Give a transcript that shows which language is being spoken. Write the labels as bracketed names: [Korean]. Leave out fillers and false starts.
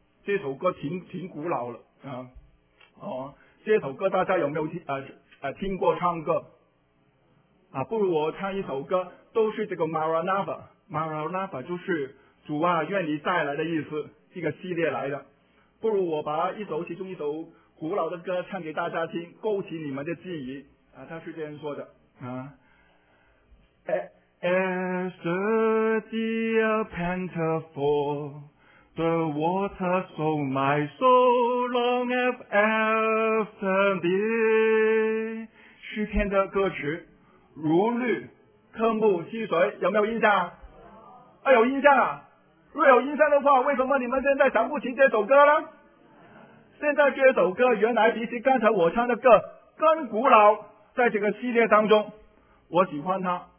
[Chinese] 这首歌 挺古老了、啊哦、这首歌大家有没有 听过唱歌啊？不如我唱一首歌，都是这个 Maranatha， Maranatha 就是主啊愿你再来的意思，这个系列来的。不如我把一首其中一首古老的歌唱给大家听，勾起你们的记忆啊。他是这样说的啊， [English] As the deer panted for the water, so my soul long after thee。 [Chinese] 诗篇的歌词，如绿科目溪水，有没有印象？啊，有印象啊！若有印象的话，为什么你们现在想不起这首歌呢？现在这首歌原来比起刚才我唱的歌更古老，在这个系列当中，我喜欢它，